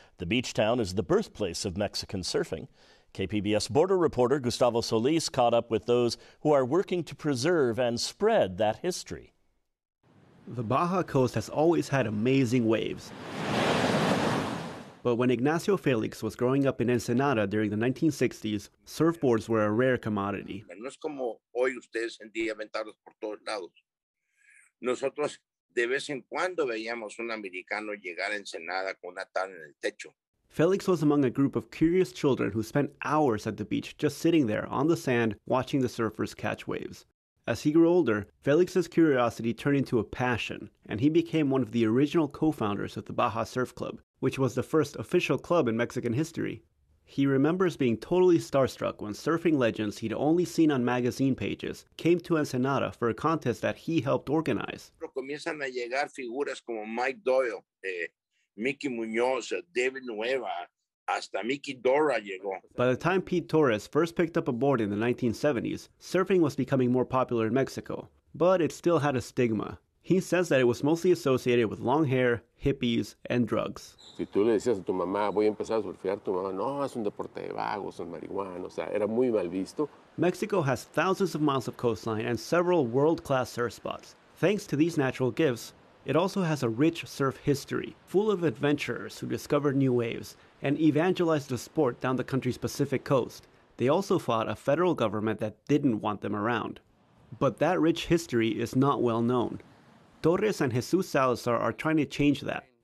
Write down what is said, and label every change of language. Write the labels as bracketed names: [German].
[English] The beach town is the birthplace of Mexican surfing. KPBS border reporter Gustavo Solis caught up with those who are working to preserve and spread that history. The Baja coast has always had amazing waves. But when Ignacio Felix was growing up in Ensenada during the 1960s, surfboards were a rare commodity. [Spanish] No es como hoy ustedes en día aventados por todos lados. Nosotros de vez en cuando veíamos un americano llegar a Ensenada con una tabla en el techo. [English] Felix was among a group of curious children who spent hours at the beach just sitting there on the sand watching the surfers catch waves. As he grew older, Felix's curiosity turned into a passion, and he became one of the original co-founders of the Baja Surf Club, which was the first official club in Mexican history. He remembers being totally starstruck when surfing legends he'd only seen on magazine pages came to Ensenada for a contest that he helped organize. [Spanish] Comienzan a llegar figuras como Mike Doyle, Mickey Muñoz, David Nueva, hasta Mickey Dora llegó. [English] By the time Pete Torres first picked up a board in the 1970s, surfing was becoming more popular in Mexico, but it still had a stigma. He says that it was mostly associated with long hair, hippies, and drugs. [Spanish] Si tú le decías a tu mamá, voy a empezar a surfear, tu mamá, no, es un deporte de vagos, es marihuana, o sea, era muy mal visto. [English] Mexico has thousands of miles of coastline and several world-class surf spots. Thanks to these natural gifts, it also has a rich surf history, full of adventurers who discovered new waves and evangelized the sport down the country's Pacific coast. They also fought a federal government that didn't want them around. But that rich history is not well known. Torres and Jesus Salazar are trying to change that.